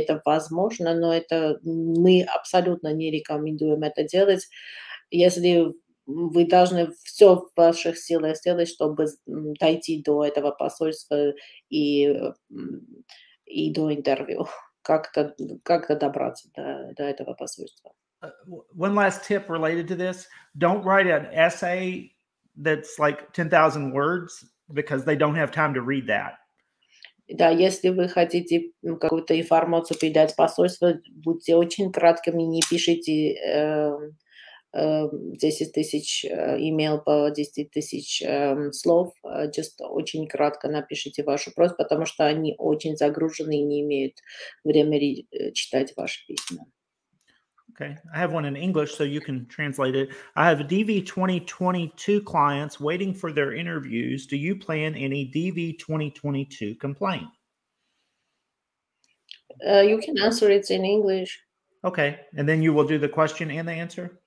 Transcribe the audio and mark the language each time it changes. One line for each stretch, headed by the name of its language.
Russian: Это возможно, но это мы абсолютно не рекомендуем это делать. Если вы должны все в ваших силах сделать, чтобы дойти до этого посольства и до интервью. Как-то добраться до этого посольства.
English: One last tip related to this. Don't write an essay that's like 10,000 words because they don't have time to read that.
Russian: Да, если вы хотите какую-то информацию передать в посольство, будьте очень краткими, не пишите 10 тысяч email по 10 тысяч слов. Just очень кратко напишите ваш вопрос, потому что они очень загружены и не имеют времени читать ваши письма.
English: Okay, I have one in English, so you can translate it. I have DV 2022 clients waiting for their interviews. Do you plan any DV 2022 complaint? You can answer it in English. Okay, and then you will do the question and the answer?